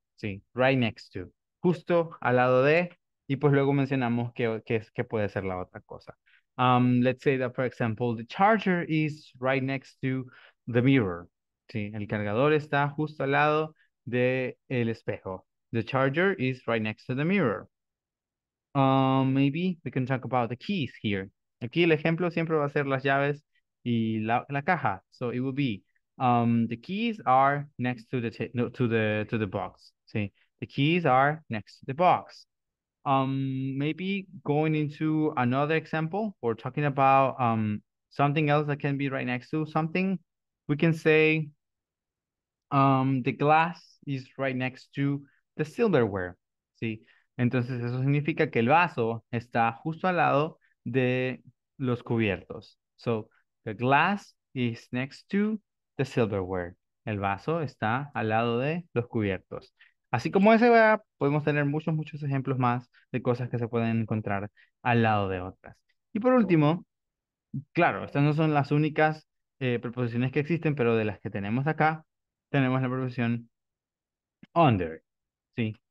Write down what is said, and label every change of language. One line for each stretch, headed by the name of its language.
English: Sí, right next to.
Spanish: Justo al lado de. Y pues luego mencionamos que puede ser la otra cosa.
English: Let's say that, for example, the charger is right next to The mirror.
Spanish: Sí, el cargador está justo al lado del espejo.
English: The charger is right next to the mirror. Maybe we can talk about the keys here.
Spanish: Aquí el ejemplo siempre va a ser las llaves y la caja.
English: So it will be the keys are next to the no, to the box. Sí, the keys are next to the box. Maybe going into another example or talking about something else that can be right next to something. We can say the glass is right next to the silverware.
Spanish: Sí. Entonces eso significa que el vaso está justo al lado de los cubiertos.
English: So the glass is next to the silverware.
Spanish: El vaso está al lado de los cubiertos. Así como ese, ¿verdad? Podemos tener muchos, muchos ejemplos más de cosas que se pueden encontrar al lado de otras. Y por último, claro, estas no son las únicas preposiciones que existen, pero de las que tenemos acá, tenemos la preposición under. ¿Sí?